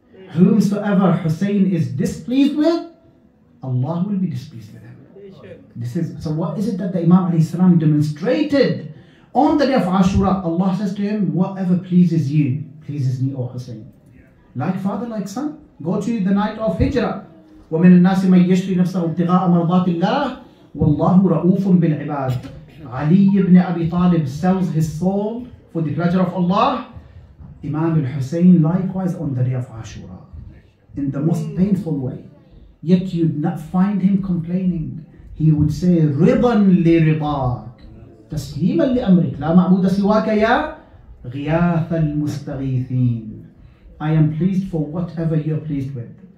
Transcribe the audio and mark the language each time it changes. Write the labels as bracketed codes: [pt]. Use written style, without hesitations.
[en] Whomsoever Hussein is displeased with, Allah will be displeased with him. This is, so what is it that the Imam alayhi salam demonstrated on the day of Ashura? Allah says to him, whatever pleases you, pleases me, O Hussein. Like father, like son. Go to the night of Hijrah. [ar] ومن الناس من يشري نفسه ابتغاء مرضات الله والله رؤوف بالعباد. [en] علي بن أبي طالب sells his soul for the pleasure of Allah. Imam al-Husayn likewise on the day of Ashura, in the most painful way. Yet you'd not find him complaining. He would say, [ar] رِضًا لِرِضَاك تَسْلِيمًا لِأَمْرِك لَا مَعْبُودَ سِوَاكَ يَا غِيَاثَ الْمُسْتَغِيثِينَ. [en] I am pleased for whatever you're pleased with.